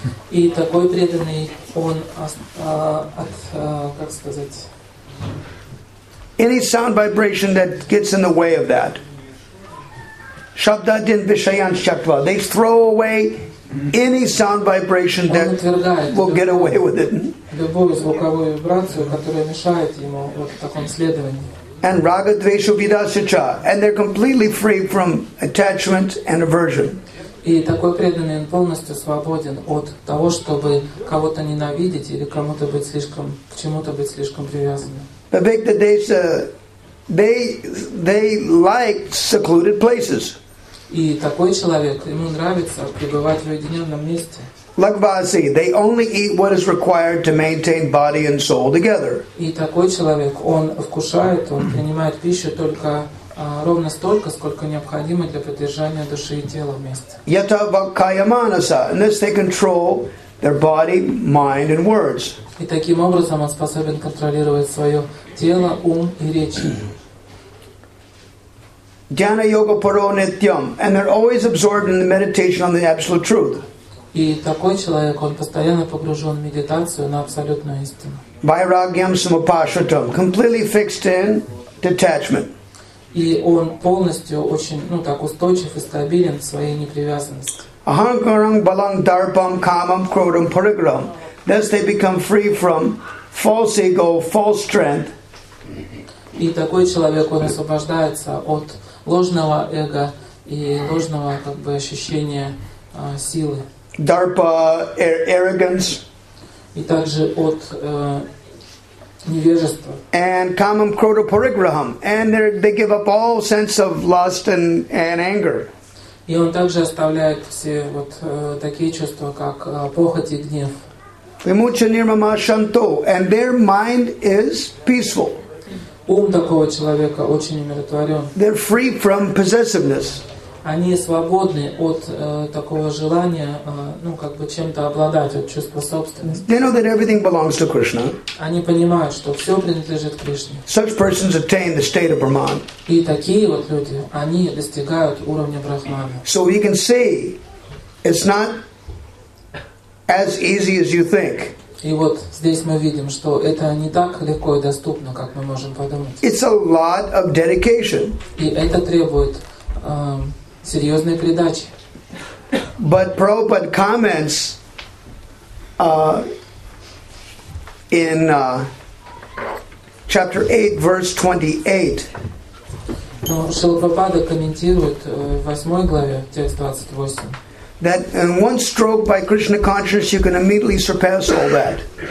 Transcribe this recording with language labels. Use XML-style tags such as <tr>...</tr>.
<ru>И такой преданный он как сказать</ru> <en>any sound vibration that gets in the way of that</en> <sa>shabdadin vishayan chakva,</sa> <en>they throw away any sound vibration that will get away with it,</en> <ru>любую звуковую вибрацию, которая мешает ему вот в таком следовании.</ru> <en>And</en> <sa>raga dvesha vidasya,</sa> <en>and they're completely free from attachment and aversion.</en> <ru>И такой преданный, он полностью свободен от того, чтобы кого-то ненавидеть или кому-то быть слишком, к чему-то быть слишком привязанным.</ru> <sa>Bhikta Desha,</sa> <en>they like secluded places.</en> <ru>И такой человек, ему нравится пребывать в уединенном месте.</ru> <en>Lagvasi, they only eat what is required to maintain body and soul together.</en> <ru>И такой человек, он вкушает, он принимает пищу только ровно столько, сколько необходимо для поддержания души и тела вместе.</ru> <sa>Yatava kayamanasa,</sa> <en>and this they control their body, mind, and words.</en> <ru>И таким образом он способен контролировать свое тело, ум и речи.</ru> <sa>Jnana yoga paro nityam,</sa> <en>and they're always absorbed in the meditation on the absolute truth.</en> <ru>И такой человек, он постоянно погружен в медитацию на абсолютную истину.</ru> <sa>Vairagyam samapashatam,</sa> <en>completely fixed in detachment.</en> <ru>И он полностью очень, ну так, устойчив и стабилен в своей непривязанности.</ru> <sa>Ahankaram balang darpam kamam krodam parigram.</sa> <en>Thus they become free from false ego, false strength.</en> <ru>И такой человек, он освобождается от ложного эго и ложного как бы ощущения силы.</ru> <en>Дарпа arrogance.</en> <ru>И также от невежества.</ru> <en>And</en> <sa>kamam krodha parigraham,</sa> <en>and they give up all sense of lust and anger.</en> <ru>И он также оставляет все вот такие чувства, как похоть и гнев.</ru> <sa>Vimucha nirmama shanto,</sa> <en>and their mind is peaceful.</en> <ru>Ум такого человека очень умиротворен.</ru> <en>They're free from possessiveness.</en> <ru>Они свободны от такого желания, ну как бы чем-то обладать, от чувства собственности.</ru> <en>They know that everything belongs to Krishna.</en> <ru>Они понимают, что все принадлежит Кришне.</ru> <en>Such persons attain the state of Brahman.</en> <ru>И такие вот люди, они достигают уровня Брахмана.</ru> <en>So you can see, it's not as easy as you think.</en> <ru>И вот здесь мы видим, что это не так легко и доступно, как мы можем подумать.</ru> <en>It's a lot of dedication.</en> <ru>И это требует серьезной передачи.</ru> <en>But Prabhupada comments in chapter 8, verse 28.</en> <ru>Но Шрила Прабхупада комментирует в 8 главе, текст 28.</ru> <en>That in one stroke by Krishna consciousness you can immediately surpass all that.</en>